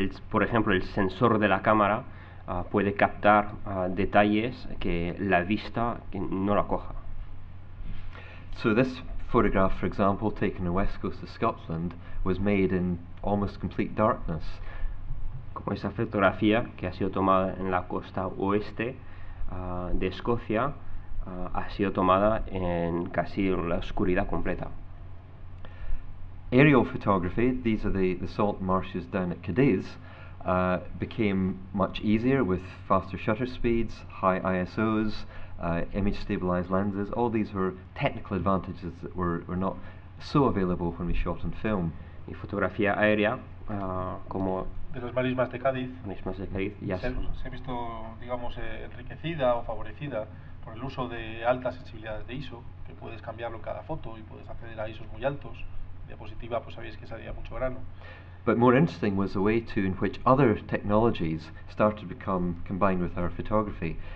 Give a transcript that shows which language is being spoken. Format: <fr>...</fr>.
<es>Por ejemplo, el sensor de la cámara puede captar detalles que la vista no la coja.</es> <en>So this photograph, for example, taken on the west coast of Scotland, was made in almost complete darkness.</en> <es>Como esa fotografía que ha sido tomada en la costa oeste de Escocia, ha sido tomada en casi la oscuridad completa.</es> <en>Aerial photography, these are the salt marshes down at Cadiz, became much easier with faster shutter speeds, high ISOs, image stabilized lenses. All these were technical advantages that were not so available when we shot on film.</en> <es>Y fotografía aérea, como de las marismas de Cádiz, ya se ha visto, digamos, enriquecida o favorecida por el uso de altas sensibilidades de ISO, que puedes cambiarlo en cada foto y puedes acceder a ISOs muy altos. Diapositiva, pues sabéis que salía mucho grano.</es> <en>But more interesting was the way to in which other technologies started to become combined with our photography.</en>